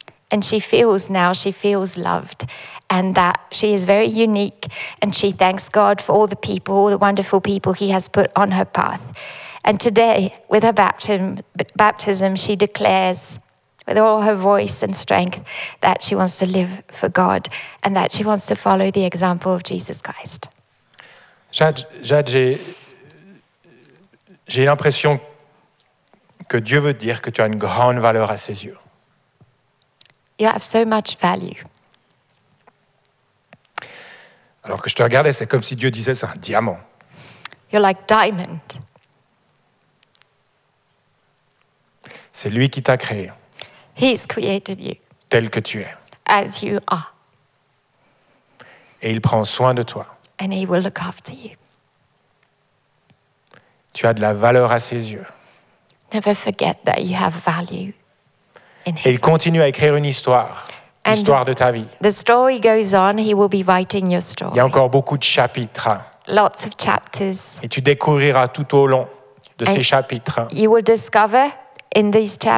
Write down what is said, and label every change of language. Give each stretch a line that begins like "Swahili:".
English: And she feels now, she feels loved, and that she is very unique, and she thanks God for all the people, all the wonderful people He has put on her path. And today, with her baptism, she declares with all her voice and strength that she wants to live for God and that she wants to follow the example of Jesus Christ.
French: Jade, j'ai l'impression que Dieu veut dire que tu as une grande valeur à ses yeux.
English: You have so much value.
French: Alors que je te regardais, c'est comme si Dieu disait, c'est un diamant.
English: You're like diamond.
French: C'est lui qui t'a créé.
English: He's created you.
French: Tel que tu es.
English: As you are.
French: Et il prend soin de toi.
English: And he will look after you.
French: Tu as de la valeur à ses yeux.
English: Never forget that you have value in his
French: Et il continue à écrire une histoire.
English: And
French: l'histoire de ta vie.
English: The story goes on, he will be writing your story.
French: Il y a encore beaucoup de chapitres.
English: Lots of chapters.
French: Et tu découvriras tout au long de
English: And
French: ces chapitres.
English: You will discover in these chapters.